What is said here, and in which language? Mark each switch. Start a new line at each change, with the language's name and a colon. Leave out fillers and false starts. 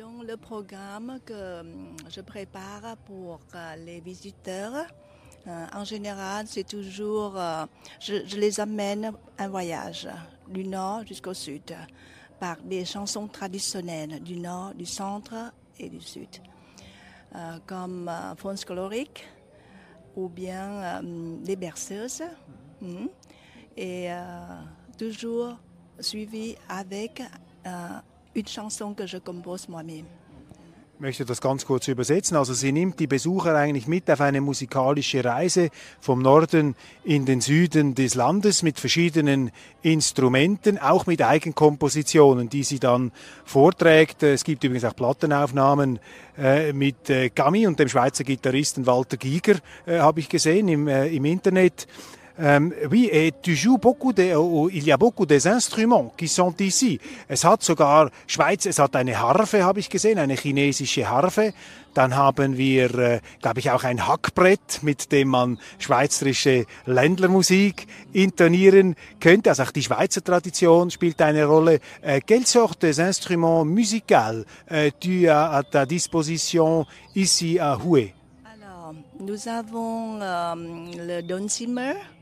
French: Le programme que je prépare pour les visiteurs, en général, c'est toujours, je les amène un voyage du nord jusqu'au sud par des chansons traditionnelles du nord, du centre et du sud, comme fonds colorique ou bien des berceuses, et toujours suivi avec une chanson que je compose moi-même.
German: Ich möchte das ganz kurz übersetzen. Also sie nimmt die Besucher eigentlich mit auf eine musikalische Reise vom Norden in den Süden des Landes mit verschiedenen Instrumenten, auch mit Eigenkompositionen, die sie dann vorträgt. Es gibt übrigens auch Plattenaufnahmen mit Gami und dem Schweizer Gitarristen Walter Giger, habe ich gesehen im Internet.
French: Oui, et tu joues beaucoup de, il y a beaucoup des instruments qui sont ici.
German: Es hat sogar Schweiz, es hat eine Harfe, habe ich gesehen, eine chinesische Harfe. Dann haben wir, glaube ich, auch ein Hackbrett, mit dem man schweizerische Ländlermusik intonieren könnte. Also auch die Schweizer Tradition spielt eine Rolle.
French: Quelle sorte d'instrument musical tu as à ta disposition ici à Hue? Alors, nous avons le dulcimer.